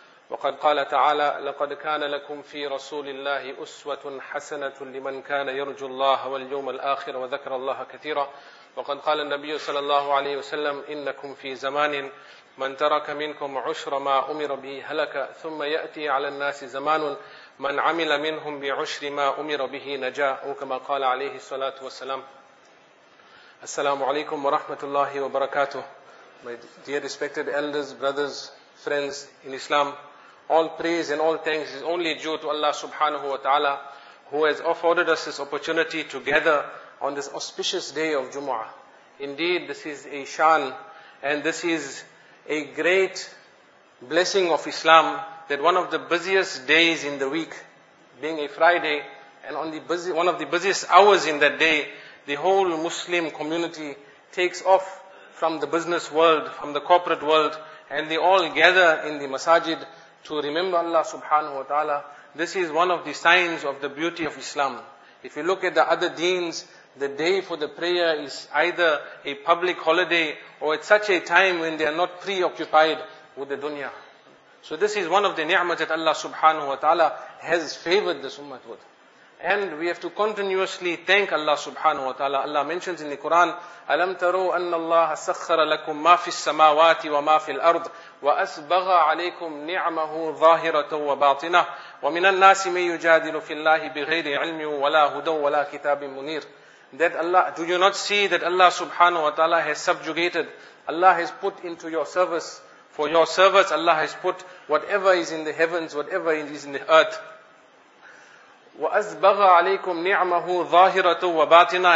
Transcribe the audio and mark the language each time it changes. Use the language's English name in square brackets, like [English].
[Arabic] وقد قال تعالى لقد كان لكم في رسول الله أسوة حسنة لمن كان يرجو الله واليوم الآخر وذكر الله كثيرا وقد قال النبي صلى الله عليه وسلم إنكم في زمان من ترك منكم عشر ما أمر به هلك ثم يأتي على الناس زمان من عمل منهم بعشر ما أمر به نجا وكما قال عليه الصلاة والسلام Assalamu alaikum wa rahmatullahi wa barakatuh. [English] My dear respected elders, brothers, friends in Islam, all praise and all thanks is only due to Allah subhanahu wa ta'ala who has afforded us this opportunity to gather on this auspicious day of Jumu'ah. Indeed, this is a shan and this is a great blessing of Islam that one of the busiest days in the week, being a Friday and on the one of the busiest hours in that day, the whole Muslim community takes off from the business world, from the corporate world, and they all gather in the masajid to remember Allah subhanahu wa ta'ala. This is one of the signs of the beauty of Islam. If you look at the other deens, the day for the prayer is either a public holiday or at such a time when they are not preoccupied with the dunya. So this is one of the ni'mat that Allah subhanahu wa ta'ala has favored this ummah with. And we have to continuously thank Allah subhanahu wa ta'ala. Allah mentions in the Quran, [Arabic] أَلَمْ تَرُوا أَنَّ اللَّهَ سَخَّرَ لَكُمْ مَا فِي السَّمَاوَاتِ وَمَا فِي الْأَرْضِ وَأَسْبَغَ عَلَيْكُمْ نِعْمَهُ ظَاهِرَةً وَبَاطِنَةً وَمِنَ النَّاسِ مَنْ يُجَادِلُ فِي اللَّهِ بِغَيْرِ عِلْمٍ وَلَا هُدًى وَلَا كِتَابٍ مُنِيرٍ. [English] That Allah, do you not see that Allah subhanahu wa ta'ala has subjugated, Allah has put into your service, for your service Allah has put whatever is in the heavens, whatever is in the earth. [Arabic] وَأَزْبَغَ عَلَيْكُمْ نِعْمَهُ ظَاهِرَةُ وَبَاطِنَةُ.